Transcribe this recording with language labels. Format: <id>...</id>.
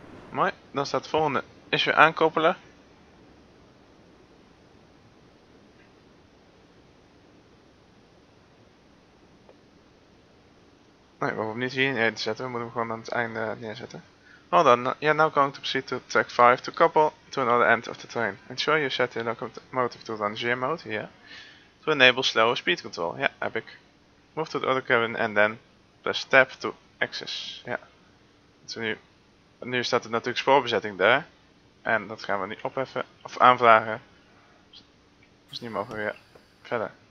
<nl>Mooi, dan staat de volgende is weer aankoppelen. Nee, we hoeven hem niet hier neer te zetten, we moeten hem gewoon aan het einde neerzetten.</nl> <en>Well done, you are now going to proceed to track 5 to couple to another end of the train. Ensure you set your locomotive to Rangier mode here to enable slower speed control. Yeah, epic. Move to the other cabin and then press tab to access. Yeah.</en> <nl>So nu staat er natuurlijk spoorbezetting daar. En dat gaan we nu opheffen of aanvragen. Dus nu mogen we weer verder.</nl>